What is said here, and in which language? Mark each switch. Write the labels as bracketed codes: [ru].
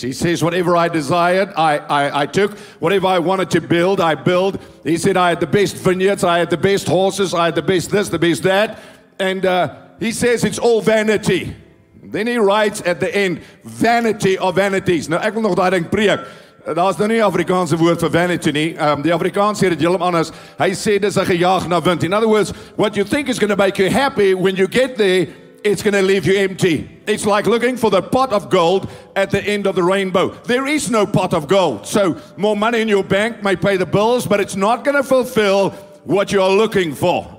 [en] He says, whatever I desired, I took. Whatever I wanted to build, I build. He said, I had the best vineyards, I had the best horses, I had the best this, the best that. And he says, it's all vanity. Then he writes at the end, vanity of vanities. [af] Now, ek wil nog daai ding preek. Daar's nou nie 'n Afrikaanse woord vir vanity nie. Die Afrikaans sê dit heeltemal anders. Hy sê dis 'n gejaag na wind. [en] In other words, what you think is going to make you happy, when you get there, it's going to leave you empty. It's like looking for the pot of gold at the end of the rainbow. There is no pot of gold. So more money in your bank may pay the bills, but it's not going to fulfill what you are looking for.